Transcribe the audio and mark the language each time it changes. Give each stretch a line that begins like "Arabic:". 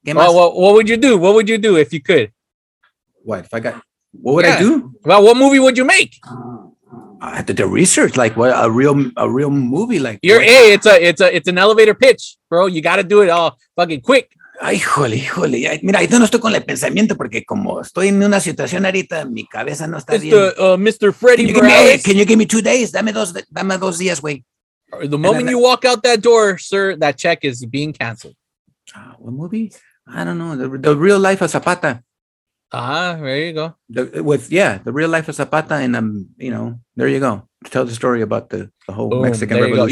Spanish: ¿qué más?
English: What would you do? What would you do if you could? What? If I got... What would I do? Well, what movie would you make? I have to do research, like, what a real movie, like... You're A, it's an elevator pitch, bro. You got to do it all fucking quick.
Spanish: Ay, híjole. Mira, ahí no estoy con el pensamiento porque como estoy en una situación ahorita, mi cabeza no está bien.
English: Mr. Freddy Morales. Can you give me 2 days?
Spanish: Dame dos días, güey.
English: The moment you walk out that door, sir, that check is being canceled. What movie? I don't know. The Real Life of Zapata. There you go. The real life of Zapata, and there you go. To tell the story about the whole Mexican Revolution.